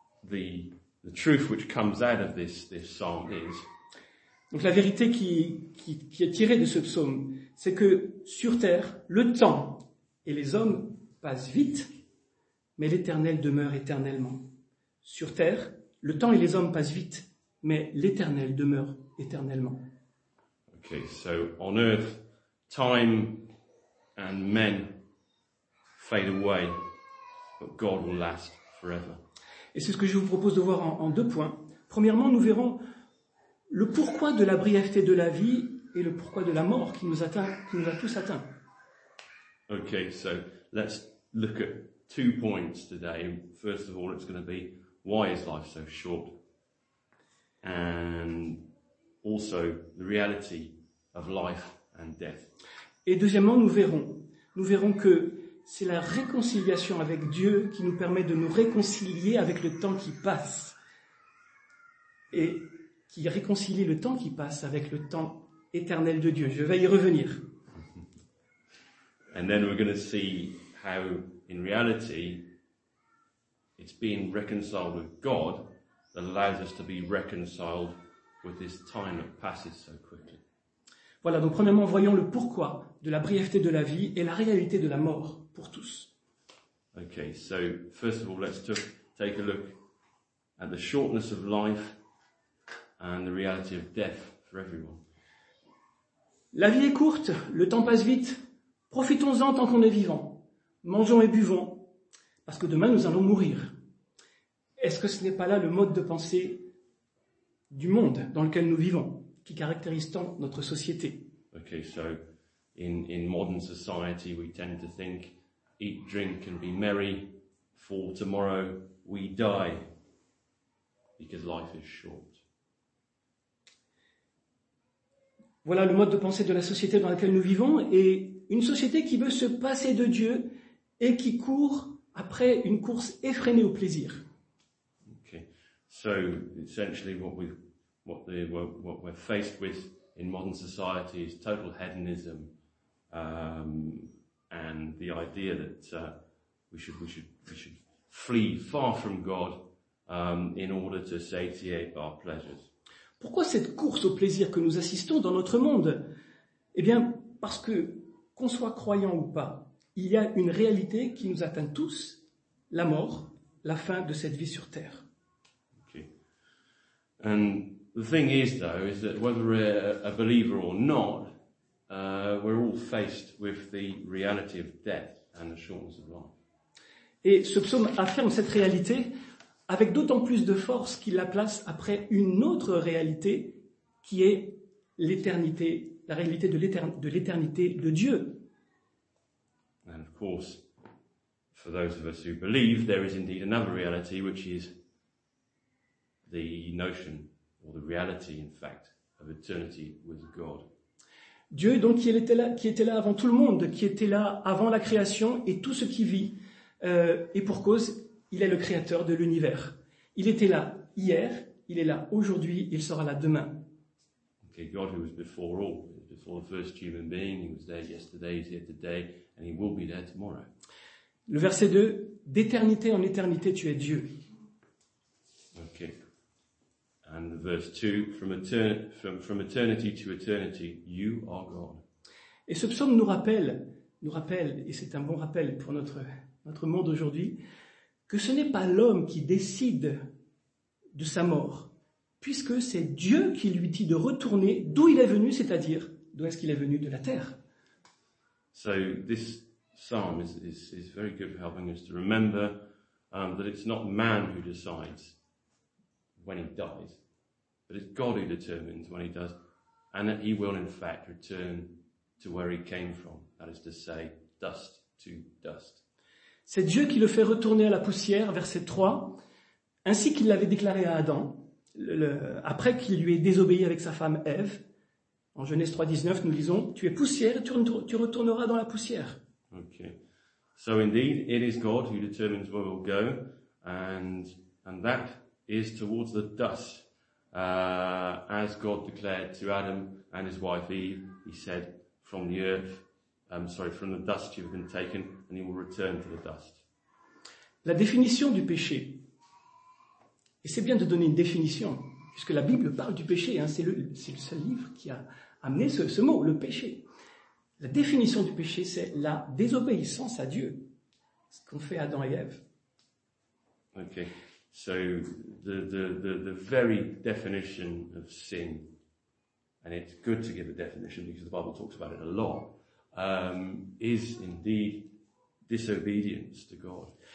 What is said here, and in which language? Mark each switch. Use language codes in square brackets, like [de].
[en] The truth which comes out of this psalm is. [fr] Donc la vérité qui est tirée de ce psaume, c'est que sur terre, le temps et les hommes passent vite, mais l'Éternel demeure éternellement. Sur terre, le temps et les hommes passent vite, mais l'Éternel demeure éternellement. [en] Okay, so on earth, time and men fade away, but God will last forever. [fr] Et c'est ce que je vous propose de voir en deux points. Premièrement, nous verrons le pourquoi de la brièveté de la vie et le pourquoi de la mort qui nous a tous atteints. [en] Okay, so let's look at two points today. First of all, it's going to be why is life so short? And also the reality of life and death. [fr] Et deuxièmement, nous verrons que c'est la réconciliation avec Dieu qui nous permet de nous réconcilier avec le temps qui passe. Et qui réconcilie le temps qui passe avec le temps éternel de Dieu. Je vais y revenir. [en] And then we're going to see how in reality it's being reconciled with God that allows us to be reconciled with this time that passes so quickly. [fr] Voilà, donc premièrement, voyons le pourquoi de la brièveté de la vie et la réalité de la mort pour tous. [en] Okay, so first of all, let's take a look at the shortness of life and the reality of death for everyone. [fr] La vie est courte, le temps passe vite, profitons-en tant qu'on est vivant, mangeons et buvons, parce que demain nous allons mourir. Est-ce que ce n'est pas là le mode de pensée du monde dans lequel nous vivons, qui caractérise tant notre société? [en] Okay, so in modern society, we tend to think, eat, drink, and be merry, for tomorrow we die, because life is short. [fr] Voilà le mode de pensée de la société dans laquelle nous vivons, et une société qui veut se passer de Dieu et qui court après une course effrénée au plaisir. [en] Okay, so essentially what we're faced with in modern society is total hedonism, and the idea that we should flee far from God in order to satiate our pleasures. [fr] Pourquoi cette course au plaisir que nous assistons dans notre monde? Eh bien, parce que qu'on soit croyant ou pas, il y a une réalité qui nous atteint tous, la mort, la fin de cette vie sur terre. [en] Okay. And the thing is, though, is that whether we're a believer or not, we're all faced with the reality of death and the shortness of life. [fr] Et ce psaume affirme cette réalité avec d'autant plus de force qu'il la place après une autre réalité qui est l'éternité, la réalité de l'éternité de Dieu. [en] And of course, for those of us who believe, there is indeed another reality, which is the notion or the reality, in fact, of eternity with God. [fr] Dieu, donc, qui était là avant tout le monde, qui était là avant la création et tout ce qui vit, et pour cause, il est le créateur de l'univers. Il était là hier, il est là aujourd'hui, il sera là demain. [en] okay, God who was before all, before the first human being, he was there yesterday, he's here today, and he will be there tomorrow. [fr] Le verset 2, d'éternité en éternité, tu es Dieu. [en] Okay. And verse 2, from eternity to eternity, you are God. [fr] Et ce psaume nous rappelle, et c'est un bon rappel pour notre monde aujourd'hui, que ce n'est pas l'homme qui décide de sa mort, puisque c'est Dieu qui lui dit de retourner d'où il est venu, c'est-à-dire d'où est-ce qu'il est venu, de la terre. [en] So this psalm is very good for helping us to remember that it's not man who decides when he dies, but it's God who determines when he does, and that he will in fact return to where he came from, that is to say, dust to dust. [fr] C'est Dieu qui le fait retourner à la poussière, verset 3, ainsi qu'il l'avait déclaré à Adam, après qu'il lui ait désobéi avec sa femme Ève. En Genèse 3:19, nous lisons, tu es poussière, tu retourneras dans la poussière. [en] Okay. So indeed, it is God who determines where we'll go, and that is towards the dust. As God declared to Adam and his wife Eve, he said, from the dust you've been taken, and you will return to the dust. [fr] La définition du péché, et c'est bien de donner une définition, puisque la Bible parle du péché, hein, c'est le seul livre qui a amené ce mot, le péché. La définition du péché, c'est la désobéissance à Dieu, ce qu'ont fait Adam et Ève. [en] Okay, so the very definition of sin, and it's good to give a definition because the Bible talks about it a lot, is indeed disobedience to God.